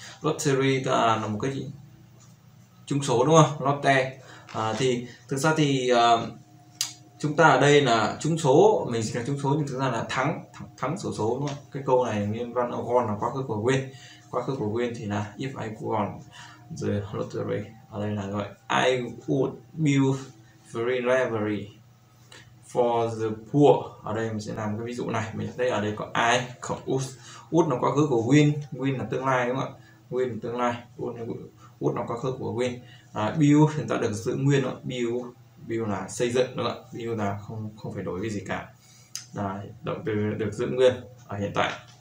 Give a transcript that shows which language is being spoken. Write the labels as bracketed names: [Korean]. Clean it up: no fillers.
[Vietnamese] Lottery là một cái trúng số, đúng không? Lotte. Thì thực ra thì chúng ta ở đây là trúng số, mình chỉ là trúng số, nhưng thực ra là thắng xổ số, đúng không? Cái câu này nguyên văn là won, là quá khứ của win. Quá khứ của win thì là [English] if I won the lottery. [Vietnamese] Ở đây là gọi [English] I would build very library for the poor. [Vietnamese] Ở đây mình sẽ làm cái ví dụ này. Mình thấy ở đây có I cộng would. Would là quá khứ của win. Win là tương lai, đúng không ạ? Win là tương lai. Would là quá khứ của win. Build thì ta được giữ nguyên, đúng không? Build là xây dựng, đúng không ạ? Build là không phải đổi cái gì cả. Đấy, động từ được giữ nguyên ở hiện tại.